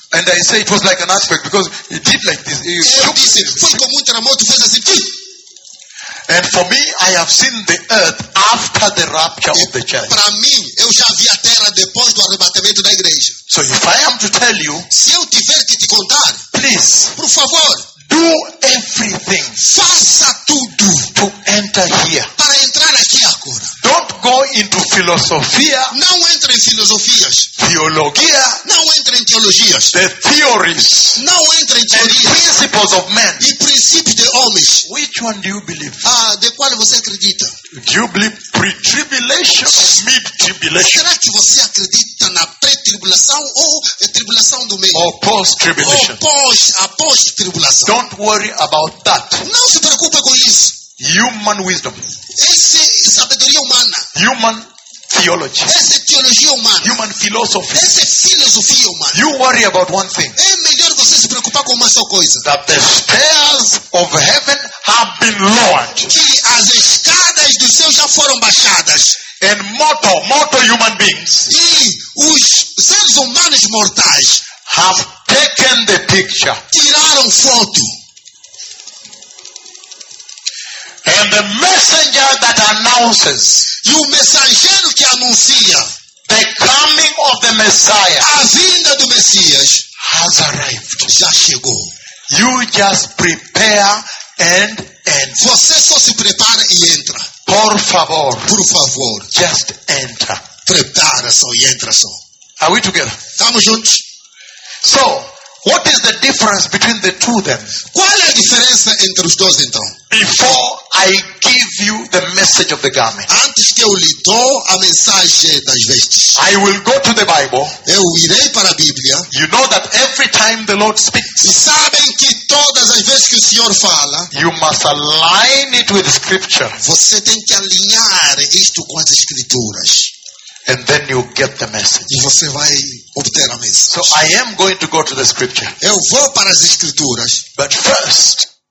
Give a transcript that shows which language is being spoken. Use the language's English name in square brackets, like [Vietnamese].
[English] And I say it was like an earthquake because he did like this. [Portuguese] Eu disse, foi como terremoto, fez assim. [English] And for me, I have seen the earth after the rapture of the church. [Portuguese] Para mim, eu já vi a terra depois do arrebatamento da igreja. [English] So if I am to tell you, [Portuguese] se eu tiver que te contar, [English] please, [Portuguese] por favor. [English] Do everything. [Portuguese] Faça tudo. [English] To enter here. [Portuguese] Para entrar aqui agora. [English] Don't go into philosophia. [Portuguese] Não entre em filosofias. Teologia. Não entre em teologias. [English] The theories. [Portuguese] Não entre em teorias. [English] And principles of men. [Portuguese] E princípios de homens. [English] Which one do you believe? [Portuguese] De qual você acredita? [English] Do you believe pre-tribulation or mid-tribulation? [Portuguese] Será que você acredita na pré-tribulação ou a tribulação do meio? [English] Or post-tribulation? [Portuguese] Após-tribulação. [English] Don't worry about that. [Portuguese] Não se preocupe com isso. [English] Human wisdom. [Portuguese] Essa é sabedoria humana. [English] Human theology. [Portuguese] Essa é teologia humana. [English] Human philosophy. [Portuguese] Essa é filosofia humana. [English] You worry about one thing. [Portuguese] É melhor você se preocupar com uma só coisa. [English] That the stairs of heaven have been lowered. [Portuguese] Que as escadas do céu já foram baixadas. [English] And mortal human beings. [Portuguese] E os seres humanos mortais. [English] Have taken the picture. [Portuguese] Tiraram foto. [English] And the messenger that announces. [Portuguese] E o mensageiro que anuncia. [English] The coming of the Messiah. [Portuguese] A vinda do Messias. [English] Has arrived. [Portuguese] Já chegou. [English] You just prepare and enter. [Portuguese] Você só se prepara e entra. Por favor. Por favor. [English] Just enter. [Portuguese] Prepara só e entra só. [English] Are we together? [Portuguese] Estamos juntos. [English] So, what is the difference between the two then? [Portuguese] Qual é a diferença entre os dois então? [English] Before I give you the message of the garment. [Portuguese] Antes que eu lhe dou a mensagem das vestes. [English] I will go to the Bible. [Portuguese] Eu irei para a Bíblia. [English] You know that every time the Lord speaks. [Portuguese] E sabem que todas as vezes que o Senhor fala. [English] You must align it with the scripture. [Portuguese] Você tem que alinhar isto com as escrituras. [English] And then you get the message. [Portuguese] E você vai obter a mensagem. [English] So I am going to go to the scripture. [Portuguese] Eu vou para as escrituras. [English] But first.